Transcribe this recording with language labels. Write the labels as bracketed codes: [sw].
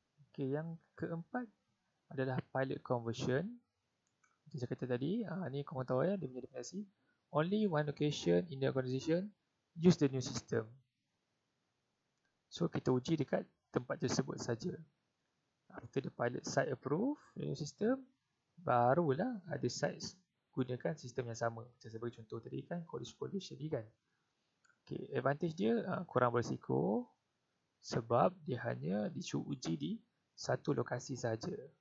[ms] Okay, yang keempat adalah pilot conversion. Macam saya kata tadi, ni korang tahu ya, dia punya definisi. [en] Only one location in the organization use the new system. [ms] So, kita uji dekat tempat tersebut saja. [en] After the pilot site approve the new system, [ms] barulah ada sites gunakan sistem yang sama. Macam sebagai contoh tadi kan, college-college tadi kan. Okay, advantage dia kurang berisiko sebab dia hanya diuji di satu lokasi saja.